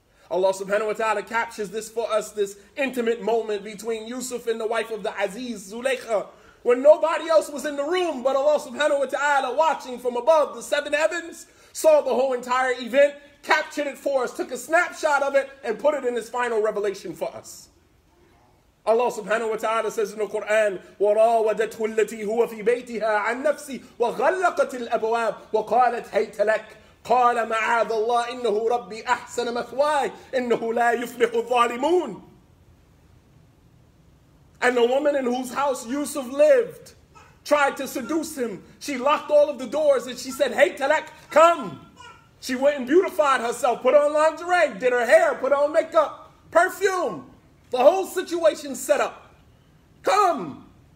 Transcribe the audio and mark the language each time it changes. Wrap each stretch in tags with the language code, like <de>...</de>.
<en>Allah subhanahu wa ta'ala captures this for us, this intimate moment between Yusuf and the wife of the Aziz, Zulaykha, when nobody else was in the room, but Allah subhanahu wa ta'ala, watching from above the seven heavens, saw the whole entire event, captured it for us, took a snapshot of it, and put it in his final revelation for us. Allah subhanahu wa ta'ala says in the Quran,</en> <ar>وَرَاوَدَتْهُ الَّتِي هُوَ فِي بَيْتِهَا عَنْ نَفْسِي وَغَلَّقَتِ الْأَبْوَابِ وَقَالَتْ هَيْتَ لَكَ قَالَ مَعَاذَ اللَّهِ إِنَّهُ رَبِّي أَحْسَنَ مَثْوَايَ إِنَّهُ لَا يُفْلِحُ الظَّالِمُونَ.</ar> <en>And the woman in whose house Yusuf lived tried to seduce him. She locked all of the doors and she said, hey, Talak, come. She went and beautified herself, put on lingerie, did her hair, put on makeup, perfume. The whole situation set up. Come.</en>